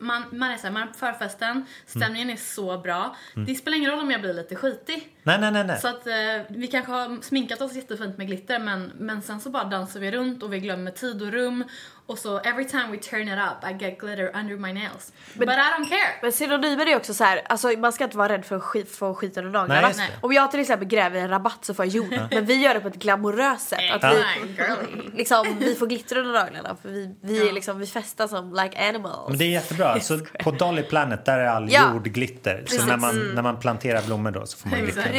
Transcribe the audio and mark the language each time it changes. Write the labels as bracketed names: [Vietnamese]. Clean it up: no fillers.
[Swedish] Man är såhär, man är på förfesten. Stämningen är så bra. Det spelar ingen roll om jag blir lite skitig. Nej. Så att vi kanske har sminkat oss jättefint med glitter. Men sen så bara dansar vi runt och vi glömmer tid och rum. Och så [English] every time we turn it up I get glitter under my nails. But I don't care. [Swedish] Men synonymer är ju också såhär, alltså, man ska inte vara rädd för att skita under naglarna. Om jag till exempel gräver en rabatt så får jag jord. Men vi gör det på ett glamoröst sätt. Att liksom, vi får glitter under naglarna. För vi är liksom, vi festar som [English] like animals. [Swedish] Men det är jättebra. Så på Dolly Planet där är all jord glitter. Så när man planterar blommor då så får man glitter.